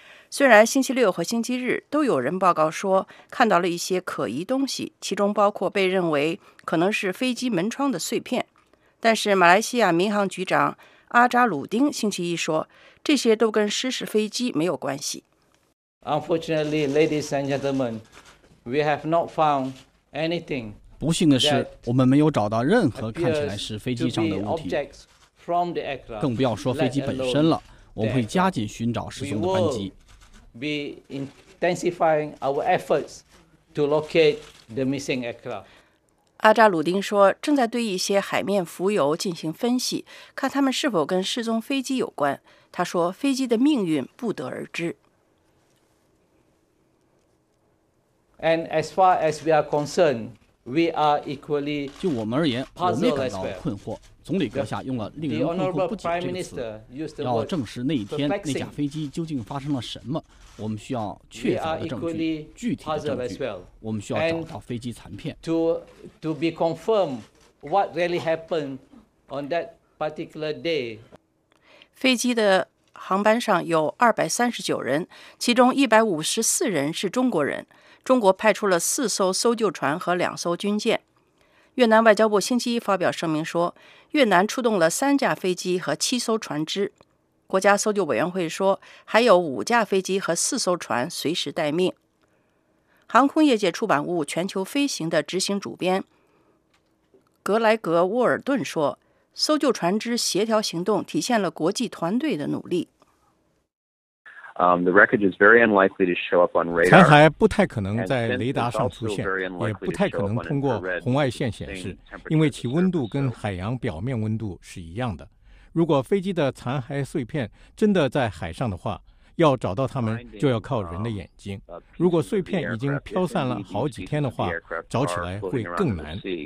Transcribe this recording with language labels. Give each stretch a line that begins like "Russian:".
Chinese: 虽然星期六和星期日都有人报告说看到了一些可疑东西，其中包括被认为可能是飞机门窗的碎片，但是马来西亚民航局长阿扎鲁丁星期一说，这些都跟失事飞机没有关系。
English: Unfortunately, ladies and gentlemen, we have not found anything.
Chinese: 不幸的是，我们没有找到任何看起来是飞机上的物体，更不要说飞机本身了。我们会加紧寻找失踪的班机。
English: Be intensifying our efforts to locate the missing aircraft.
Chinese: 阿扎鲁丁说，正在对一些海面浮游进行分析，看他们是否跟失踪飞机有关。他说，飞机的命运不得而知。
English: And as far as we are concerned, we are equally puzzled.
Chinese: 就我们而言，我们也感到困惑。总理阁下用了令人困惑不解这个词，要证实那一天那架飞机究竟发生了什么，我们需要确凿的证据，具体的证据，我们需要找到飞机残片。
English: To be confirmed what really happened on that particular day.
Chinese: 飞机的航班上有239人，其中154人是中国人。中国派出了4艘搜救船和2艘军舰。越南外交部星期一发表声明说，越南出动了3架飞机和7艘船只。国家搜救委员会说，还有5架飞机和4艘船随时待命。航空业界出版物《全球飞行》的执行主编格莱格·沃尔顿说，搜救船只协调行动体现了国际团队的努力。
English: The wreckage is very unlikely to show up on radar.
Chinese: 残骸不太可能在雷达上出现，也不太可能通过红外线显示，因为其温度跟海洋表面温度是一样的。如果飞机的残骸碎片真的在海上的话，要找到它们就要靠人的眼睛。如果碎片已经飘散了好几天的话，找起来会更难。